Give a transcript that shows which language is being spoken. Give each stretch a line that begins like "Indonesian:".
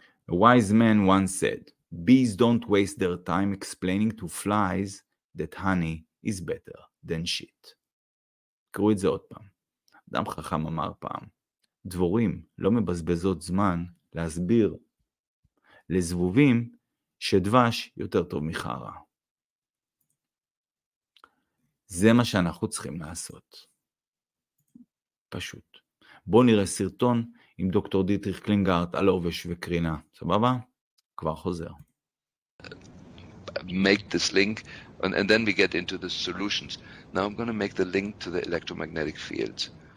English: A wise man once said, bees don't waste their time explaining to flies that honey is better than shit.
Hebrew: קראו את זה עוד פעם. אדם חכם אמר פעם, דבורים לא מבזבזות זמן להסביר לזבובים שדבש יותר טוב מחרה. זה מה שאנחנו צריכים לעשות. פשוט. בואו נראה סרטון עם דוקטור דיטריך קלינגרט על עובש וקרינה. סבבה? כבר חוזר.
English: Make this link and then we get into the solutions. Now I'm going to make the link to the electromagnetic fields.